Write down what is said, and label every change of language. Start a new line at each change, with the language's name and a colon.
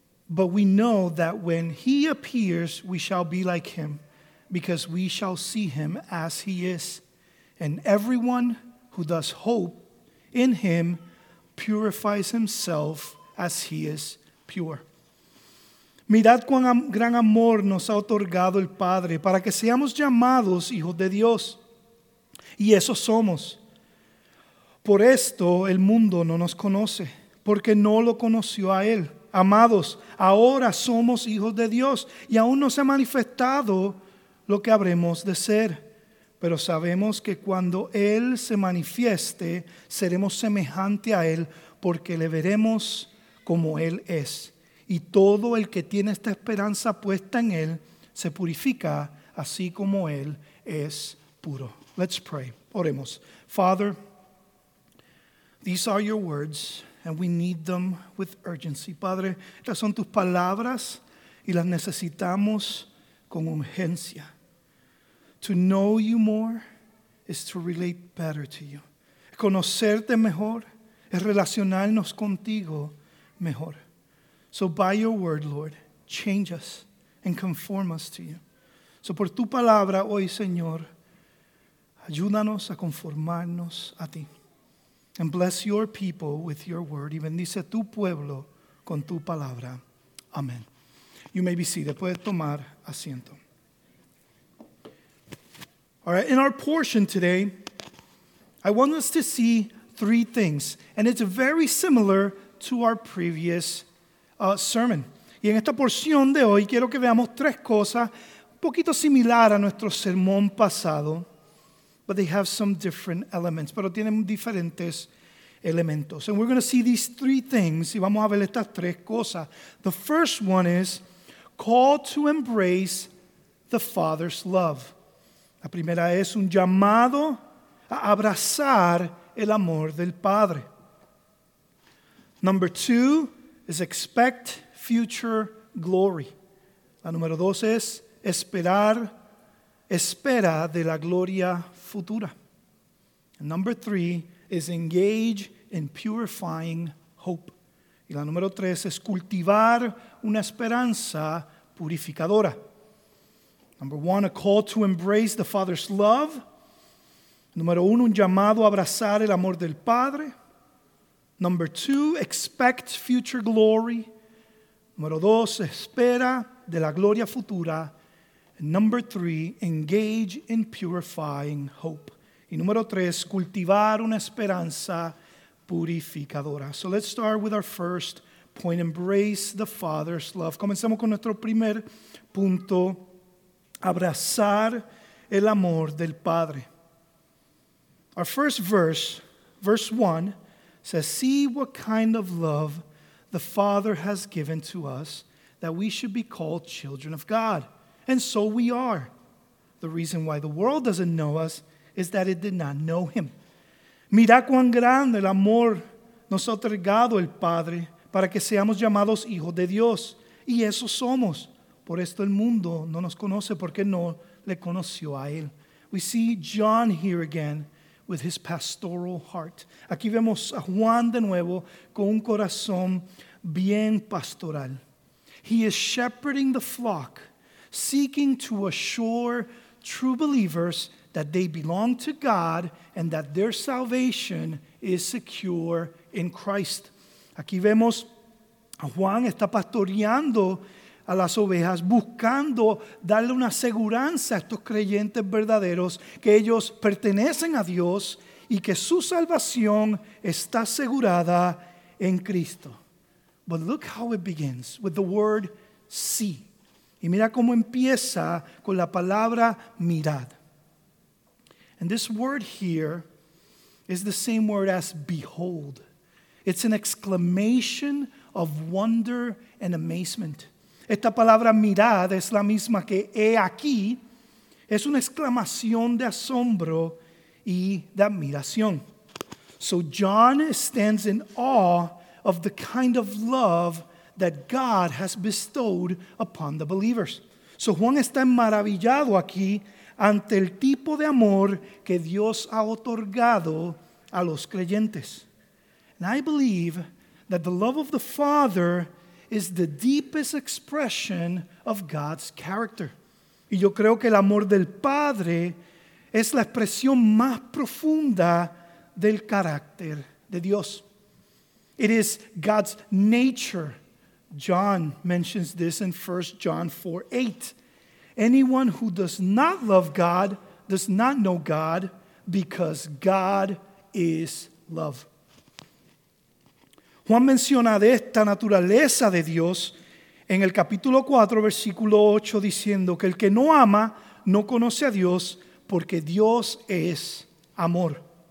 English: But we know that when he appears, we shall be like him, because we shall see him as he is. And everyone who does hope in him purifies himself as he is pure.
Spanish: Mirad cuán gran amor nos ha otorgado el Padre para que seamos llamados hijos de Dios. Y eso somos. Por esto el mundo no nos conoce, porque no lo conoció a él. Amados, ahora somos hijos de Dios y aún no se ha manifestado lo que habremos de ser. Pero sabemos que cuando él se manifieste, seremos semejante a él, porque le veremos como él es. Y todo el que tiene esta esperanza puesta en él se purifica así como él es puro.
English: Let's pray.
Spanish: Oremos.
English: Father, these are your words and we need them with urgency.
Spanish: Padre, estas son tus palabras y las necesitamos con urgencia.
English: To know you more is to relate better to you.
Spanish: Conocerte mejor es relacionarnos contigo mejor.
English: So by your word, Lord, change us and conform us to you.
Spanish: So por tu palabra hoy, Señor, ayúdanos a conformarnos a ti.
English: And bless your people with your word.
Spanish: Y bendice tu pueblo con tu palabra.
English: Amen. You may be seated.
Spanish: Puedes tomar asiento.
English: All right, in our portion today, I want us to see three things, and it's very similar to our previous sermon.
Spanish: Y en esta porción de hoy quiero que veamos tres cosas un poquito similar a nuestro sermón pasado,
English: but they have some different elements,
Spanish: pero tienen diferentes elementos.
English: And we're going to see these three things,
Spanish: y vamos a ver estas tres cosas.
English: The first one is call to embrace the Father's love.
Spanish: La primera es un llamado a abrazar el amor del Padre.
English: Number two is expect future glory.
Spanish: La número dos es esperar, espera de la gloria futura.
English: And number three is engage in purifying hope.
Spanish: Y la número tres es cultivar una esperanza purificadora.
English: Number one, a call to embrace the Father's love.
Spanish: Número uno, un llamado a abrazar el amor del Padre.
English: Number two, expect future glory.
Spanish: Número dos, espera de la gloria futura.
English: And number three, engage in purifying hope.
Spanish: Y número tres, cultivar una esperanza purificadora.
English: So let's start with our first point, embrace the Father's love.
Spanish: Comencemos con nuestro primer punto, abrazar el amor del Padre.
English: Our first verse, verse 1, says, see what kind of love the Father has given to us, that we should be called children of God. And so we are. The reason why the world doesn't know us is that it did not know him.
Spanish: Mira cuán grande el amor nos ha otorgado el Padre para que seamos llamados hijos de Dios. Y eso somos. Por esto el mundo no nos conoce porque no le conoció a él.
English: We see John here again with his pastoral heart.
Spanish: Aquí vemos a Juan de nuevo con un corazón bien pastoral.
English: He is shepherding the flock, seeking to assure true believers that they belong to God and that their salvation is secure in Christ.
Spanish: Aquí vemos a Juan está pastoreando a las ovejas, buscando darle una aseguranza a estos creyentes verdaderos que ellos pertenecen a Dios y que su salvación está asegurada en Cristo.
English: But look how it begins with the word see.
Spanish: Y mira cómo empieza con la palabra mirad.
English: And this word here is the same word as behold. It's an exclamation of wonder and amazement.
Spanish: Esta palabra mirad es la misma que he aquí. Es una exclamación de asombro y de admiración.
English: So John stands in awe of the kind of love that God has bestowed upon the believers.
Spanish: So Juan está maravillado aquí ante el tipo de amor que Dios ha otorgado a los creyentes.
English: And I believe that the love of the Father is the deepest expression of God's character.
Spanish: Y yo creo que el amor del Padre es la expresión más profunda del carácter de Dios.
English: It is God's nature. John mentions this in 1 John 4:8. Anyone who does not love God does not know God, because God is love.
Spanish: Juan menciona de esta naturaleza de Dios en el capítulo 4, versículo 8, diciendo que el que no ama no conoce a Dios porque Dios es amor.